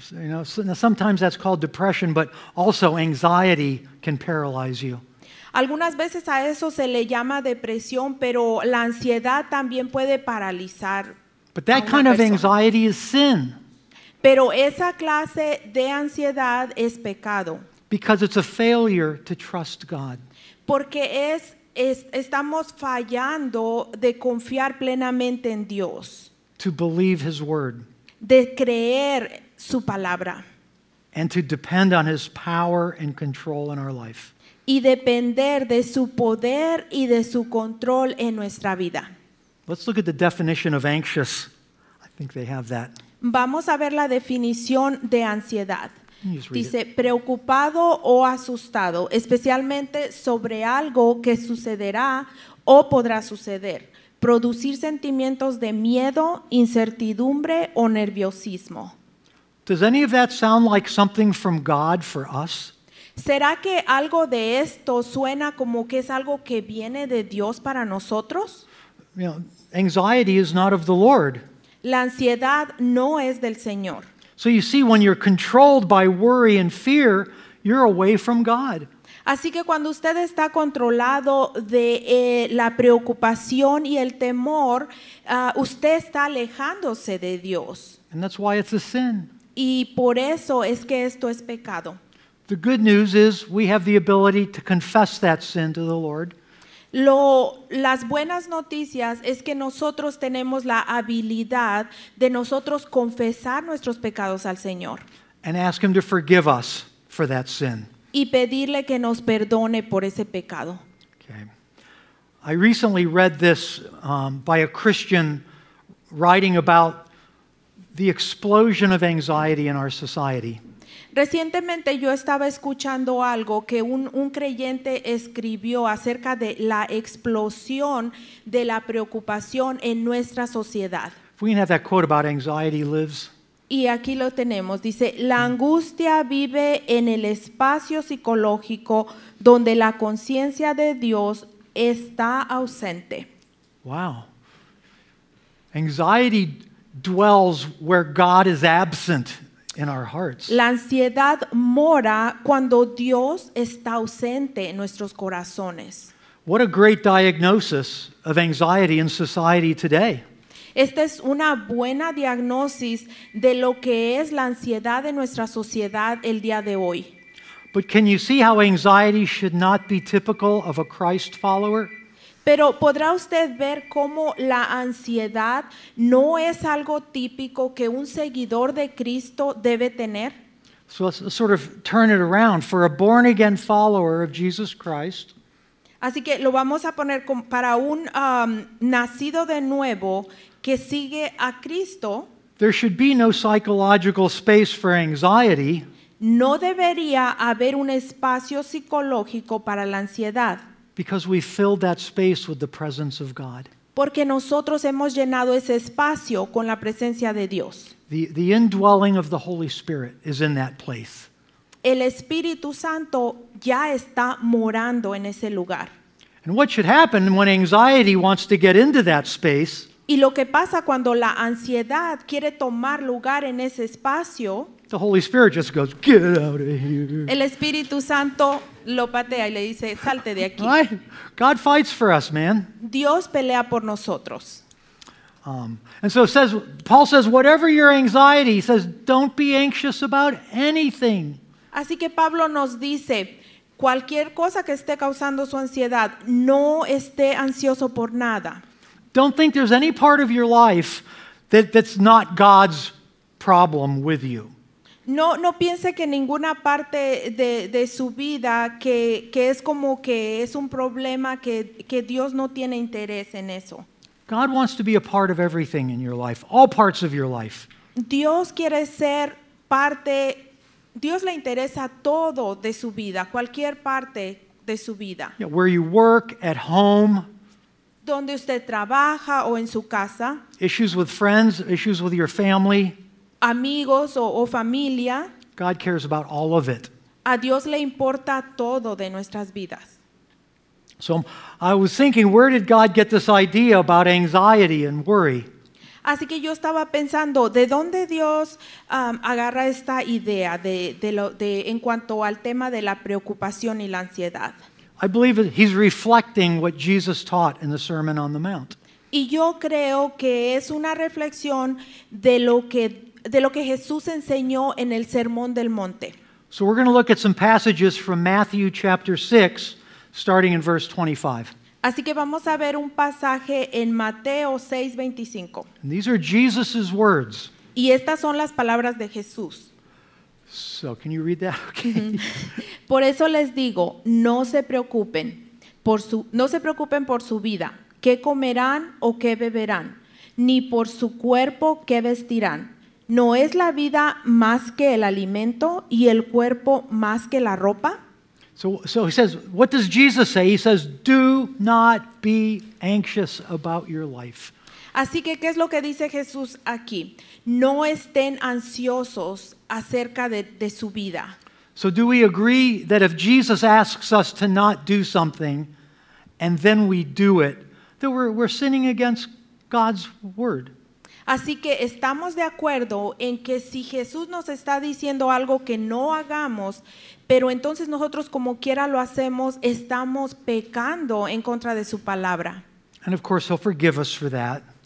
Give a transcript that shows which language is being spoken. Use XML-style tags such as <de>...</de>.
<en>You know, sometimes that's called depression, but also anxiety can paralyze you.</en> <es>Algunas veces a eso se le llama depresión, pero la ansiedad también puede paralizar.</es> <en>But that kind of anxiety is sin.</en> <es>Pero esa clase de ansiedad es pecado.</es> <en>Because it's a failure to trust God.</en> <es>Porque estamos fallando de confiar plenamente en Dios.</es> <en>To believe His word.</en> <es>De creer su palabra.</es> <en>And to depend on His power and control in our life.</en> <es>Y depender de su poder y de su control en nuestra vida.</es> <en>Let's look at the definition of anxious. I think they have that.</en> <es>Vamos a ver la definición de ansiedad. Dice,</es> <en>it.</en> <es>Preocupado o asustado, especialmente sobre algo que sucederá o podrá suceder. Producir sentimientos de miedo, incertidumbre o nerviosismo.</es> <en>Does any of that sound like something from God for us?</en> <es>¿Será que algo de esto suena como que es algo que viene de Dios para nosotros?</es> <en>You know, anxiety is not of the Lord.</en> <es>La ansiedad no es del Señor.</es> <en>So you see, when you're controlled by worry and fear, you're away from God.</en> <es>Así que cuando usted está controlado de la preocupación y el temor, usted está alejándose de Dios.</es> <en>And that's why it's a sin.</en> <es>Y por eso es que esto es pecado.</es> <en>The good news is we have the ability to confess that sin to the Lord.</en> <es>Las buenas noticias es que nosotros tenemos la habilidad de nosotros confesar nuestros pecados al Señor.</es> <en>And ask Him to forgive us for that sin.</en> <es>Y pedirle que nos perdone por ese pecado.</es> <en>Okay. I recently read this by a Christian writing about the explosion of anxiety in our society.</en> <es>Recientemente yo estaba escuchando algo que un creyente escribió acerca de la explosión de la preocupación en nuestra sociedad.</es> <en>If we can have that quote about anxiety lives.</en> <es>Y aquí lo tenemos. Dice, la angustia vive en el espacio psicológico donde la conciencia de Dios está ausente.</es> <en>Wow. Anxiety dwells where God is absent. In our hearts.</en> <es>La ansiedad mora cuando Dios está ausente en nuestros corazones.</es> <en>What a great diagnosis of anxiety in society today.</en> <es>Esta es una buena diagnosis de lo que es la ansiedad en nuestra sociedad el día de hoy.</es> <en>But can you see how anxiety should not be typical of a Christ follower?</en> <es>Pero ¿podrá usted ver cómo la ansiedad no es algo típico que un seguidor de Cristo debe tener?</es> <en>So let's sort of turn it around for a born again follower of Jesus Christ.</en> <es>Así que lo vamos a poner para un nacido de nuevo que sigue a Cristo.</es> <en>There should be no psychological space for anxiety.</en> <es>No debería haber un espacio psicológico para la ansiedad.</es> <en>Because we filled that space with the presence of God.</en> <es>Porque nosotros hemos llenado ese espacio con la presencia de Dios.</es> <en>The indwelling of the Holy Spirit is in that place.</en> <es>El Espíritu Santo ya está morando en ese lugar.</es> <en>And what should happen when anxiety wants to get into that space?</en> <es>Y lo que pasa cuando la ansiedad quiere tomar lugar en ese espacio?</es> <en>The Holy Spirit just goes, get out of here.</en> <es>El Espíritu Santo lo patea y le dice, salte de aquí.</es> <en>Right? God fights for us, man.</en> <es>Dios pelea por nosotros.</es> <en>And so Paul says, whatever your anxiety, he says, don't be anxious about anything.</en> <es>Así que Pablo nos dice, cualquier cosa que esté causando su ansiedad, no esté ansioso por nada.</es> <en>Don't think there's any part of your life that's not God's problem with you.</en> <es>No piense que ninguna parte de su vida que es como que es un problema que Dios no tiene interés en eso.</es> <en>God wants to be a part of everything in your life, all parts of your life.</en> <es>Dios quiere ser parte, Dios le interesa todo de su vida, cualquier parte de su vida.</es> <en>Yeah, where you work, at home.</en> <es>Donde usted trabaja o en su casa.</es> <en>Issues with friends, issues with your family.</en> <es>Amigos o familia.</es> <en>God cares about all of it.</en> <es>A Dios le importa todo de nuestras vidas.</es> <en>So I was thinking, where did God get this idea about anxiety and worry?</en> <es>Así que yo estaba pensando, ¿de dónde Dios agarra esta idea de en cuanto al tema de la preocupación y la ansiedad?</es> <en>I believe that he's reflecting what Jesus taught in the Sermon on the Mount.</en> <es>Y yo creo que es una reflexión de lo que Jesús enseñó en el Sermón del Monte.</es> <en>So we're going to look at some passages from Matthew chapter 6, starting in verse 25.</en> <es>Así que vamos a ver un pasaje en Mateo 6, 25.</es> <en>And these are Jesus's words.</en> <es>Y estas son las palabras de Jesús.</es> <en>So can you read that? Okay.</en> <es>Por eso les digo, no se preocupen por su vida, qué comerán o qué beberán, ni por su cuerpo qué vestirán. ¿No es la vida más que el alimento y el cuerpo más que la ropa?</es> <en>So he says, what does Jesus say? He says, do not be anxious about your life.</en> <es>Así que, ¿qué es lo que dice Jesús aquí? No estén ansiosos acerca de su vida.</es> <en>So do we agree that if Jesus asks us to not do something and then we do it, that we're sinning against God's word?</en> <es>Así que estamos de acuerdo en que si Jesús nos está diciendo algo que no hagamos, pero entonces nosotros como quiera lo hacemos, estamos pecando en contra de su palabra.</es> <en>And of course he'll forgive us for that.</en>